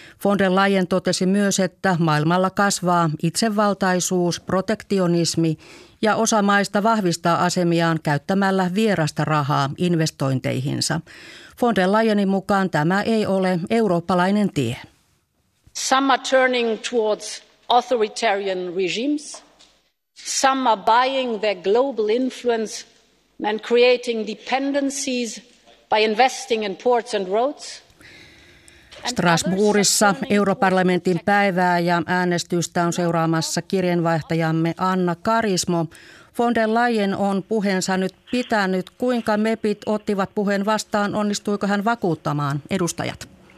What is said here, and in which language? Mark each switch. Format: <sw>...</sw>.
<fi>Von der Leyen totesi myös, että maailmalla kasvaa itsevaltaisuus, protektionismi ja osa maista vahvistaa asemiaan käyttämällä vierasta rahaa investointeihinsa. Von der Leyenin mukaan tämä ei ole eurooppalainen tie.</fi> <en>Some are turning towards authoritarian regimes. Some are buying their global influence and creating dependencies by investing in ports and roads.</en> <fi>Strasbourgissa europarlamentin päivää ja äänestystä on seuraamassa kirjeenvaihtajamme Anna Karismo. Von der Leyen on puheensa nyt pitänyt. Kuinka MEPit ottivat puheen vastaan? Onnistuiko hän vakuuttamaan edustajat?</fi>